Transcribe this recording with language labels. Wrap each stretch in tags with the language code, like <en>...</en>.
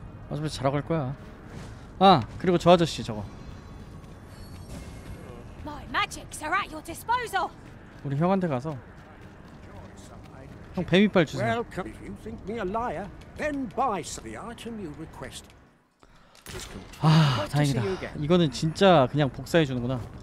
<ko>어차피 자러 갈 거야. 아 그리고 저 아저씨 저거.</ko> <en>My magics are at your disposal.</en> <ko>우리 형한테 가서. 형 뱀 이빨 주세요.</ko> <en>Welcome. If you think me a liar, then buy the item you request.</en> <ko>아 다행이다. 이거는 진짜 그냥 복사해 주는구나.</ko>